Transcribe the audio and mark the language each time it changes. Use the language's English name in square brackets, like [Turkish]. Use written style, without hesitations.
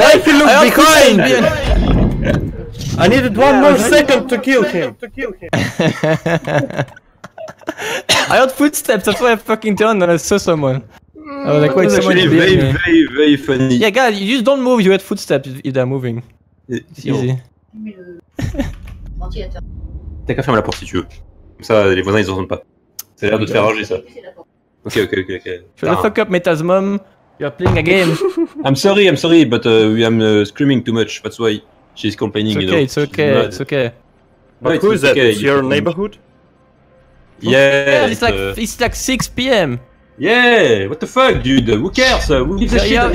[English] Why he look behind? I needed one more second to kill him. I had footsteps, that's why I fucking turned and I saw someone. I was like, wait, someone is very, very, very funny. Yeah, guys, you just don't move, you had footsteps if they're moving. It's easy. [French] T'as qu'à fermer la porte si tu veux. Comme ça, les voisins ils entendent pas. Ça a l'air de te faire rager ça. [English] Ok. Shut the fuck up, Meta's mom. You're playing a game. I'm sorry, but we am screaming too much. That's why she's complaining, okay, you know. It's okay. But no, who is that? Okay. It's your neighborhood? Yeah, it's like 6 PM. Yeah, what the fuck, dude? Who cares? Who gives a shit?